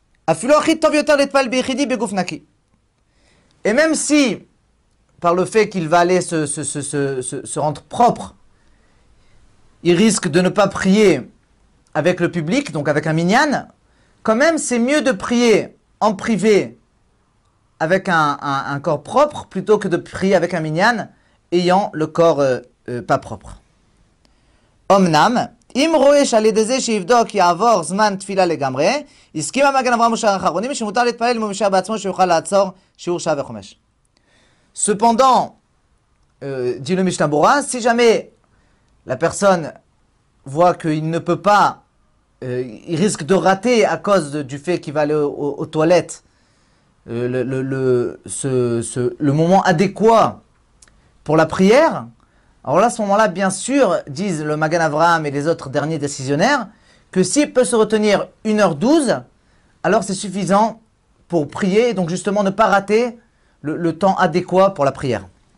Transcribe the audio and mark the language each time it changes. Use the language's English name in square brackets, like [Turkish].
[Hebrew] אפילו הכי טוב יותר להתפעל ביחידי בגוף נקי. [French] Et même si, par le fait qu'il va aller se rendre propre, il risque de ne pas prier avec le public, donc avec un minyan, quand même c'est mieux de prier en privé avec un corps propre plutôt que de prier avec un minyan ayant le corps pas propre. [Hebrew] Omnam. אם רואה שעל ידי זה שיבדוק יעבור זמן תפילה לגמרי, הסכים המגן אברהם ושאר האחרונים שמותר להתפלל אם הוא משאר בעצמו שיוכל לעצור שיעור שעה וחומש. [French] Cependant, dit le Mishnah Berurah, si jamais la personne voit qu'il ne peut pas, il risque de rater à cause du fait qu'il va aller aux toilettes, le moment adéquat pour la prière, alors là, à ce moment-là, bien sûr, disent le Magan Avraham et les autres derniers décisionnaires, que s'il peut se retenir 1h12, alors c'est suffisant pour prier, et donc justement ne pas rater le temps adéquat pour la prière.